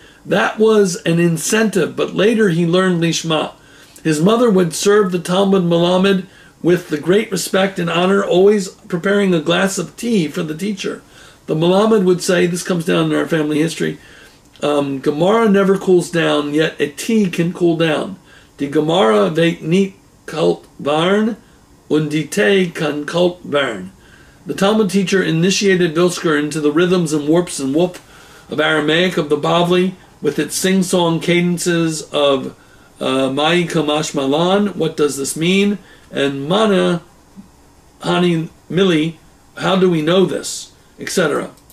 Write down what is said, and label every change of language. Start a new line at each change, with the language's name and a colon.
English: That was an incentive, but later he learned Lishma. His mother would serve the Talmud Melamed with the great respect and honor, always preparing a glass of tea for the teacher. The Melamed would say, this comes down in our family history, Gemara never cools down, yet a tea can cool down.
Yiddish: Die Gemara weit nicht kalt warn, und die Tee kann kalt warn.
English: The Talmud teacher initiated Vilsker into the rhythms and warps and whoop of Aramaic, of the Bavli, with its sing-song cadences of
Aramaic: Ma'i Kamash Malan,
English: what does this mean? And
Aramaic: Mana Hani Mili,
English: how do we know this? Etc.